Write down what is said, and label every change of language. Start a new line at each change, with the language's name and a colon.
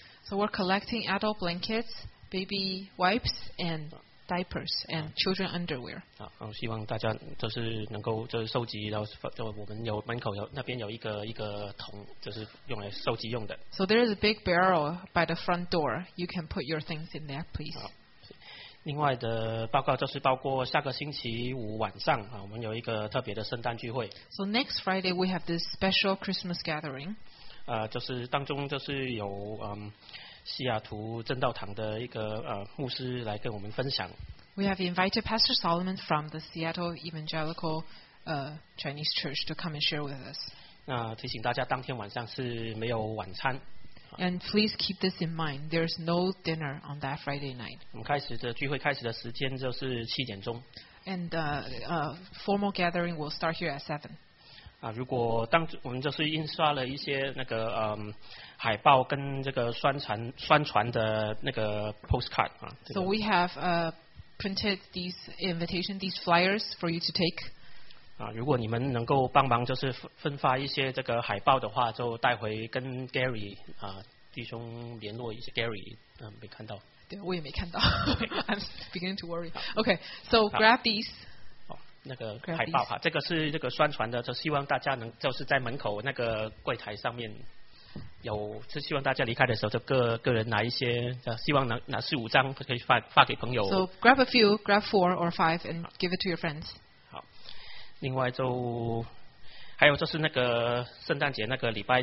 English: So we're collecting adult blankets, baby wipes, and diapers and children underwear.
Chinese: 好，希望大家就是能够就是收集，然后就我们有门口有那边有一个桶，就是用来收集用的。
English: So there is a big barrel by the front door. You can put your things in there, please.
Chinese: 另外的报告就是包括下个星期五晚上啊，我们有一个特别的圣诞聚会。
English: So next Friday we have this special Christmas gathering.
Chinese: 就是当中就是有西雅图正道堂的一个牧师来跟我们分享。
English: We have invited Pastor Solomon from the Seattle Evangelical Chinese Church to come and share with us.
Chinese: 那提醒大家，当天晚上是没有晚餐。
English: And please keep this in mind. There's no dinner on that Friday night.
Chinese: 我们开始的聚会开始的时间就是七点钟。
English: And the formal gathering will start here at 7.
Chinese: 如果当我们就是印刷了一些那个海报跟这个宣传的那个 postcard 啊。
English: So we have printed these invitation, these flyers for you to take.
Chinese: 如果你们能够帮忙就是分发一些这个海报的话，就带回跟 Gary 弟兄联络一下。 Gary 没看到。对，我也没看到。
English: Okay. I'm beginning to worry. Okay, so grab these.
Chinese: 那个海报哈，这个是这个宣传的，就希望大家能就是在门口那个柜台上面。有是希望大家离开的时候就个人拿一些，希望拿四五张可以发给朋友。
English: So grab a few, grab four or five and give it to your friends.
Chinese: 好，另外就还有就是那个圣诞节那个礼拜天。